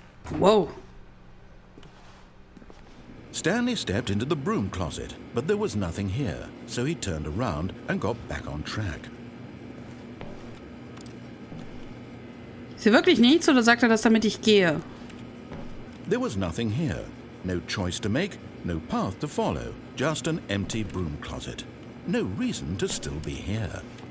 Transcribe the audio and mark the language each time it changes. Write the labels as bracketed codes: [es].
[en] Whoa. Stanley stepped into the broom closet, but there was nothing here, so he turned around and got back on track. [de] Ist hier wirklich nichts oder sagt er das, damit ich gehe? [en] There was nothing here. No choice to make, no path to follow, just an empty broom closet. No reason to still be here.